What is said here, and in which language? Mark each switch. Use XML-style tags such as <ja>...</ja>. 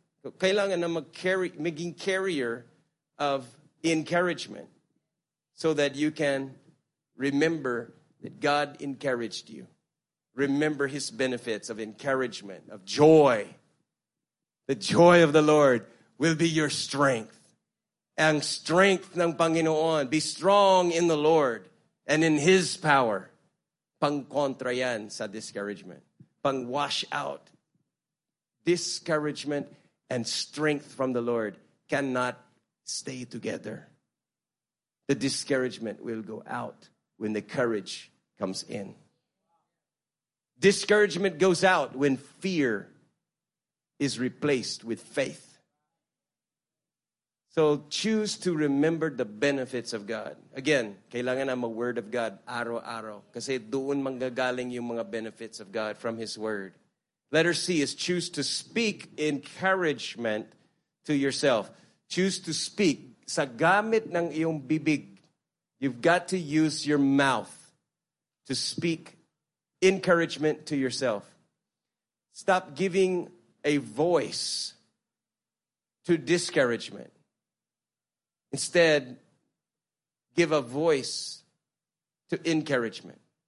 <en>So,</en> <tl>kailangan na maging</tl> <en>carrier of encouragement so that you can remember that God encouraged you. Remember His benefits of encouragement, of joy. The joy of the Lord will be your strength.</en> <tl>Ang strength ng Panginoon.</tl> <en>Be strong in the Lord and in His power.</en> <tl>Pang-kontra yan sa discouragement. Pang-wash out.</tl> <en>Discouragement and strength from the Lord cannot stay together. The discouragement will go out when the courage comes in. Discouragement goes out when fear is replaced with faith. So choose to remember the benefits of God. Again,</en> <tl>kailangan ang</tl> <en>word of God</en> <tl>araw-araw. Kasi doon manggagaling yung mga</tl> <en>benefits of God from His word. Letter C is choose to speak encouragement to yourself. Choose to speak</en> <tl>sa gamit ng iyong bibig.</tl> <en>You've got to use your mouth to speak encouragement to yourself. Stop giving a voice to discouragement. Instead, give a voice to encouragement.</en>